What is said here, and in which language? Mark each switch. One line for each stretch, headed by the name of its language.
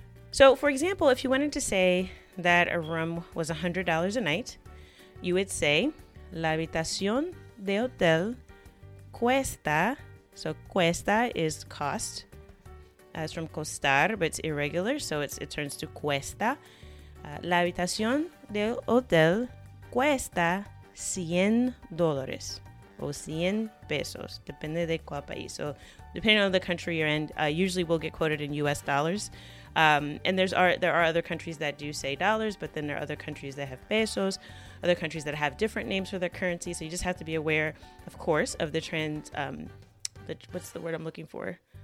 English: So for example, if you wanted to say that a room was $100 a night, you would say
Spanish: la habitación de hotel cuesta,
English: so cuesta is cost, as from costar, but it's irregular, so it turns to cuesta.
Spanish: La habitación del hotel cuesta $100 o 100 pesos, depende de cuál país.
English: So depending on the country you're in, usually we'll get quoted in U.S. dollars. And there are other countries that do say dollars, but then there are other countries that have pesos, other countries that have different names for their currency. So you just have to be aware, of course, of the trans, what's the word I'm looking for?